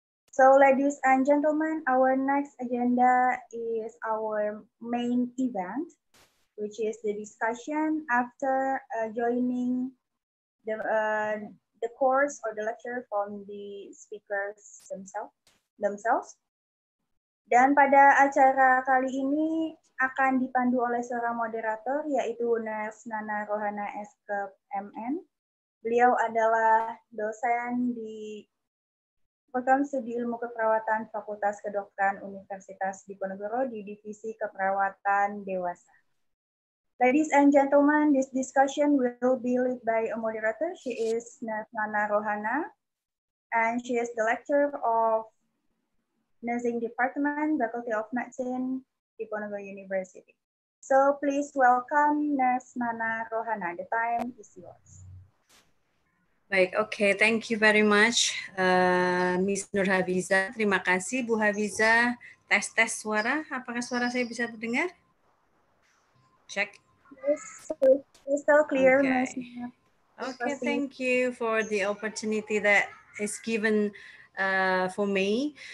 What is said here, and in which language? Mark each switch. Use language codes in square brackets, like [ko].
[en] So, ladies and gentlemen, our next agenda is our main event, which is the discussion after joining the course or the lecture from the speakers themselves. [id] Dan pada acara kali ini akan dipandu oleh seorang moderator, yaitu Nurse Nana Rohana Eskep MN. Beliau adalah dosen di Program Studi Ilmu Keperawatan Fakultas Kedokteran Universitas Diponegoro di Divisi Keperawatan Dewasa. [en] Ladies and gentlemen, this discussion will be led by a moderator. She is Nana Rohana, and she is the lecturer of Nursing Department, Faculty of Medicine, Diponegoro University. So please welcome Nana Rohana. The time is yours. Baik, okay, thank you very much, Miss Nur Hafiza. [id] Terima kasih, Bu Hafiza. Tes suara, apakah suara saya bisa terdengar? [en] Check. It's still clear, okay. Miss. Okay, thank you for the opportunity that is given for me.